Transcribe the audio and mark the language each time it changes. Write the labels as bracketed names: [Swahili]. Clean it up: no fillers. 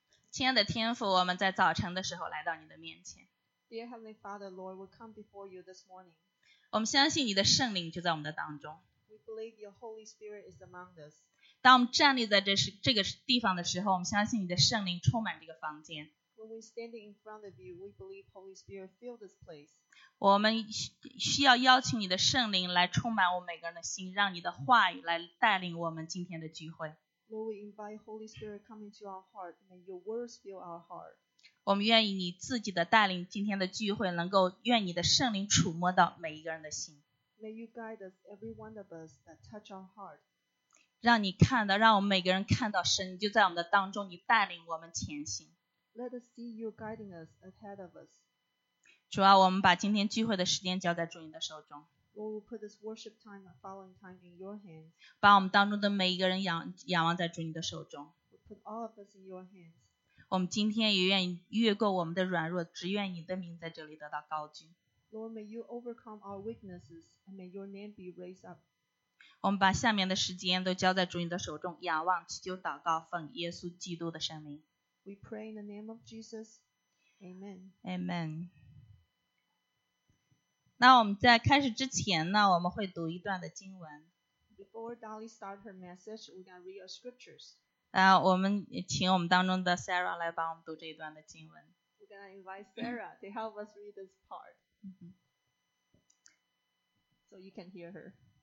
[Chinese] 亲爱的天父，我们在早晨的时候来到你的面前。 [English] Dear Heavenly Father, Lord, we come before you this morning. [Chinese] 我们相信你的圣灵就在我们的当中。 [English] We believe your Holy Spirit is among us. [Chinese] 当我们站立在这个地方的时候，我们相信你的圣灵充满这个房间。 [English] When we stand in front of you, we believe Holy Spirit fill this place. [Chinese] 我们需要邀请你的圣灵来充满我们每个人的心，让你的话语来带领我们今天的聚会。 [English] Lord, we invite Holy Spirit come into our heart. May your words fill our heart. [Chinese] 我们愿意你自己的带领今天的聚会，能够愿你的圣灵触摸到每一个人的心。 [English] May you guide us, every one of us that touch our heart. [Chinese] 让你看到，让我们每个人看到神就在我们的当中，你带领我们前行。 [English] Let us see you guiding us ahead of us. [Chinese] 主啊，我们把今天聚会的时间交在主你的手中。 [English] Lord, we put this worship time and following time in your hands. [Chinese] 把我们当中的每一个人仰望在主你的手中。 [English] We put all of us in your hands. [Chinese] 我们今天也愿意越过我们的软弱，只愿你的名在这里得到高举。 [English] Lord, may you overcome our weaknesses and may your name be raised up. [Chinese] 我们把下面的时间都交在主你的手中，仰望祈求祷告奉耶稣基督的圣名。 [English] We pray in the name of Jesus. Amen. Amen. [Chinese] 那我们在开始之前呢，我们会读一段的经文。 [English] Before Dolly start her message, we're going to read our scriptures. [Chinese] 我们请我们当中的 Sarah 来帮我们读这一段的经文。 [English] We're going to invite Sarah to help us read this part. So you can hear her.